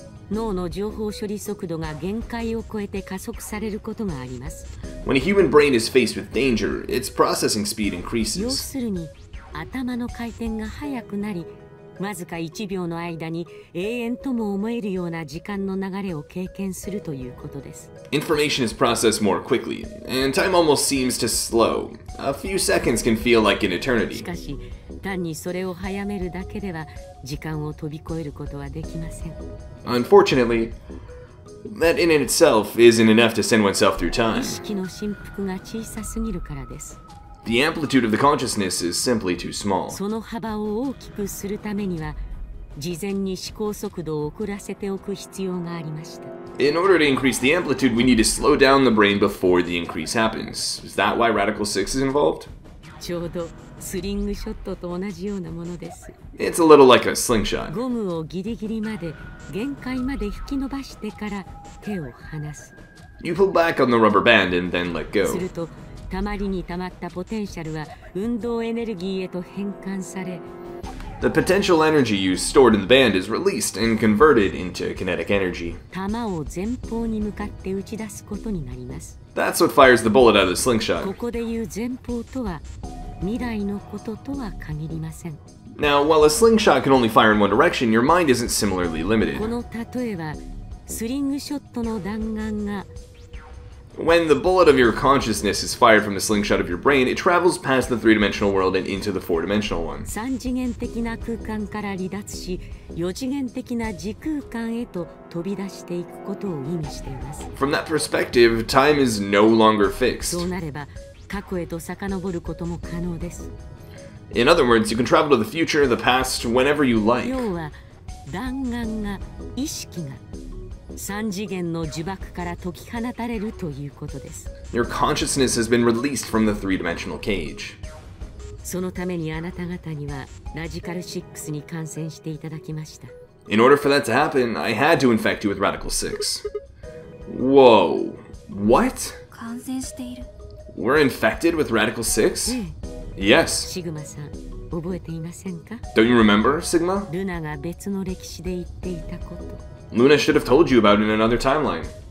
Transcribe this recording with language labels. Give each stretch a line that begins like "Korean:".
Japanese: 脳の情報処理速度が限界を超えて加速されることがあります。
English: When a human brain is faced with danger, its processing speed increases.
Japanese: 要するに、頭の回転が速くなり、わずか1秒の間に永遠とも思えるような時間の流れを経験するということです。
English: Information is processed more quickly, and time almost seems to slow. A few seconds can feel like an eternity.
Japanese: しかし、単にそれを早めるだけでは時間を飛び越えることはできません。
English: Unfortunately, that in itself isn't enough to send oneself through time.
Japanese: 意識の振幅が小さすぎるからです。
English: The amplitude of the consciousness is simply too small.
Japanese: その幅を大きくするためには、事前に思考速度を遅らせておく必要がありました。
English: In order to increase the amplitude, we need to slow down the brain before the increase happens. Is that why Radical 6 is involved?
Japanese: ちょうどスリングショットと同じようなものです。
English: It's a little like a slingshot.
Japanese: ゴムをギリギリまで、限界まで引き伸ばしてから手を離す。
English: You pull back on the rubber band and then let go.
Japanese: すると、たまりにたまったポテンシャルは運動エネルギーへと変換され。
English: The potential energy you stored in the band is released and converted into kinetic energy.
Japanese: 弾を前方に向かって打ち出すことになります。
English: That's what fires the bullet out of the slingshot.
Japanese: ここで言う前方とは、未来のこととは限りません。
English: Now, while a slingshot can only fire in one direction, your mind isn't similarly limited.
Japanese: この例えは、スリングショットの弾丸が、
English: When the bullet of your consciousness is fired from the slingshot of your brain, it travels past the three-dimensional world and into the four-dimensional one.
Japanese: 三次元的な空間から離脱し、四次元的な時空間へと飛び出していくことを意味しています。
English: From that perspective, time is no longer fixed.
Japanese: そうなれば、過去へと遡ることも可能です。
English: In other words, you can travel to the future, the past, whenever you like.
Japanese: 要は、弾丸が、意識が、三次元の呪縛から解き放たれるということです。
English: Your consciousness has been released from the three-dimensional cage.
Japanese: そのためにあなた方にはラジカル6に感染していただきました。
English: In order for that to happen, I had to infect you with Radical 6. Whoa. What?
Japanese: 感染している。
English: We're infected with Radical 6?
Japanese: ええ、
English: yes.
Japanese: シグマさん、覚えていませんか?
English: Don't you remember, Sigma?
Japanese: ルナが別の歴史で言っていたこと。
English: Luna should have told you about it in another timeline.